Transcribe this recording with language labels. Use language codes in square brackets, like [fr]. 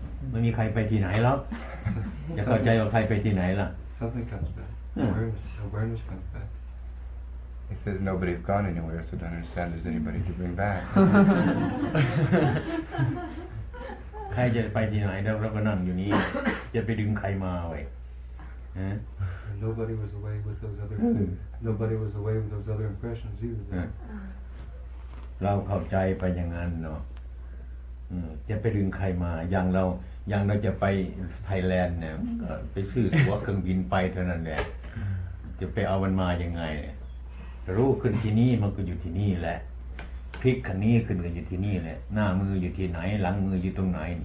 [th] ไม่มีใครไปที่ไหนแล้วจะเข้าใจว่าใครไปที่ไหนล่ะ [en] Something comes back. Awareness comes back. It says nobody's gone anywhere, so don't understand there's anybody to bring back. [th] ใครจะไปที่ไหนแล้วเราก็นั่งอยู่นี้จะไปดึงใครมาไว้ [en] And nobody was away with those other nobody was away with those other impressions either. [th] เราเข้าใจไปอย่างนั้นเนาะจะไปดึงใครมาอย่างเราจะไปไทยแลนด์เนี่ยไปซื้อตั๋วเครื่องบินไปเท่านั้นแหละจะไปเอามันมายังไงรู้ขึ้นที่นี่มันก็อยู่ที่นี่แหละพลิกขันนี้ขึ้นก็อยู่ที่นี่แหละหน้ามืออยู่ที่ไหนหลังมืออยู่ตรงไหน